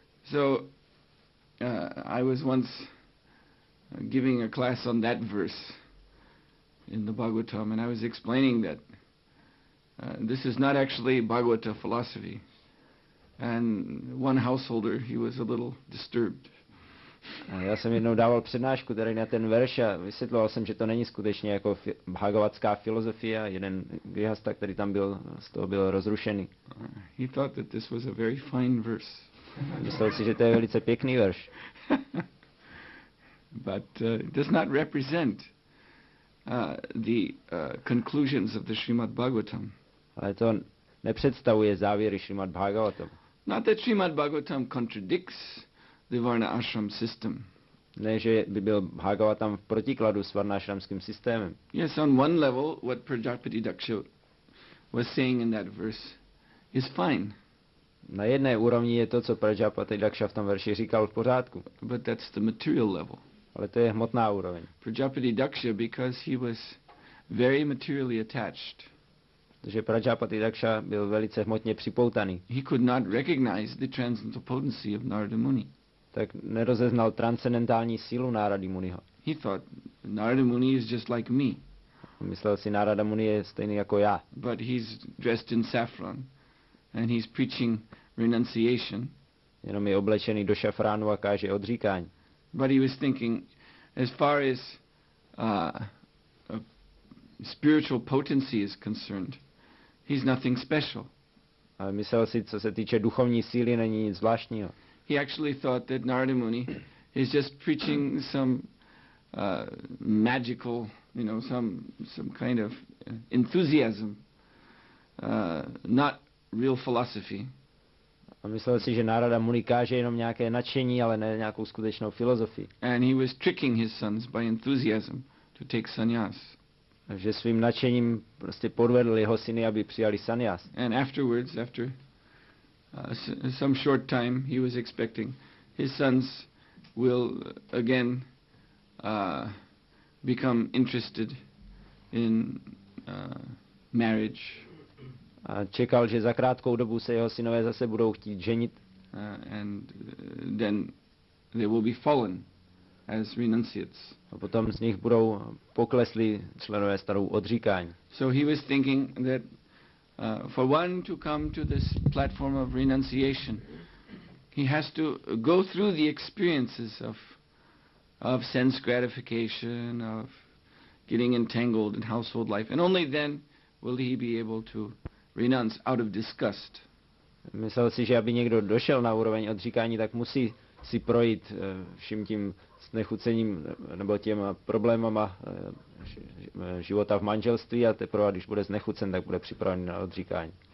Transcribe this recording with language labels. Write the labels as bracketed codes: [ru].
[en] So, I was once giving a class on that verse in the Bhagavatam, and I was explaining that this is not actually Bhagavata philosophy. And one householder, he was a little disturbed. [cs] A já jsem jednou dával přednášku tady na ten verš a vysvětloval jsem, že to není skutečně jako bhagavatská filozofie. Jeden grihasta, který tam byl, z toho byl rozrušený. [en] He thought that this was a very fine verse. [cs] Myslel si, že to je velice pěkný verš. [en] But it does not represent the conclusions of the Srimad Bhagavatam. [cs] Ale to nepředstavuje závěry Srimad Bhagavatam. [en] Not that Srimad Bhagavatam contradicts the Varna Ashram system. [cs] Ne, že by byl Bhagavatam v protikladu s Varna Ashramským systémem. [en] Yes, on one level, what Prajapati Daksha was saying in that verse is fine. [cs] Na jedné úrovni je to, co Prajapati Daksha v tom verši říkal, v pořádku. [en] But that's the material level. [cs] Ale to je hmotná úroveň. [en] Prajapati Daksha, because he was very materially attached. [cs] Protože Prajapati Daksha byl velice hmotně připoutaný. [en] He could not recognize the transcendental potency of Narada Muni. [cs] tak nerozeznal transcendentální sílu Narady Muniho. [en] He thought Narada Muni is just like me. [cs] Myslel si, Narada Muni je stejný jako já. [en] But he's dressed in saffron and he's preaching renunciation. [cs] Jenom je oblečený do šafránu a káže odříkání. [en] But he was thinking, as far as spiritual potency is concerned, he's nothing special. [cs] A myslel si, co se týče duchovní síly, není nic zvláštního. [en] He actually thought that Narada Muni is just preaching some magical, you know, some kind of enthusiasm, not real philosophy. [cs] A myslel si, že Narada Muni káže jenom nějaké nadšení, ale ne nějakou skutečnou filozofii. [en] And he was tricking his sons by enthusiasm to take sannyas. [cs] Že svým nadšením prostě podvedl jeho syny, aby přijali sannyas. [en] And afterwards, after some short time, he was expecting his sons will again become interested in marriage. [cs] A čekal, že za krátkou dobu se jeho synové zase budou chtít ženit. [en] And then they will be fallen as renunciates. [cs] A potom z nich budou poklesli členové starou odříkání. [en] So he was thinking that for one to come to this platform of renunciation, he has to go through the experiences of sense gratification, of getting entangled in household life, and only then will he be able to renounce out of disgust. [cs] Myslel si, že aby někdo došel na úroveň odříkání, tak musí si projít vším tím znechucením nebo těma problémama života v manželství, a teprve když bude znechucen, tak bude připraven na odříkání.